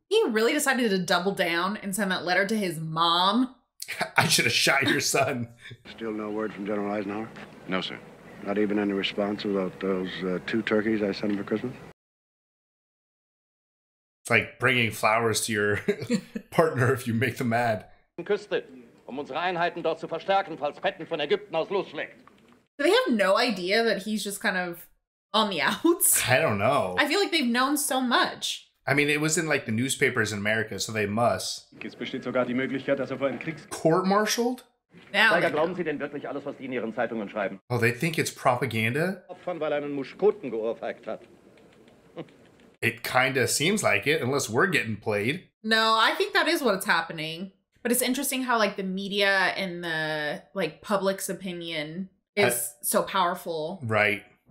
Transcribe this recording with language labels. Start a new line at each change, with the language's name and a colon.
English: He really decided to double down and send that letter to his mom? I should have shot your son. Still no word from General Eisenhower? No, sir. Not even any response about those two turkeys I sent him for Christmas? It's like bringing flowers to your partner if you make them mad.
German: Küste, unsere Einheiten dort zu verstärken, falls Patton von Ägypten aus losschlägt.
English: Do they have no idea that he's just kind of on the outs? I don't know. I feel like they've known so much. I mean, it was in like the newspapers in America, so they must.
German: Es besteht sogar die Möglichkeit, dass er vor einem Kriegs...
English: Court-martialed? Now
German: Steiger, glauben Sie denn wirklich alles, was die in ihren Zeitungen schreiben?
English: Oh, they think it's propaganda?
German: Opfern, weil einen Muschkoten geohrfeigt hat.
English: It kinda seems like it, unless we're getting played. No, I think that is what's happening. But it's interesting how, like, the media and the, like, public's opinion is so powerful. Right.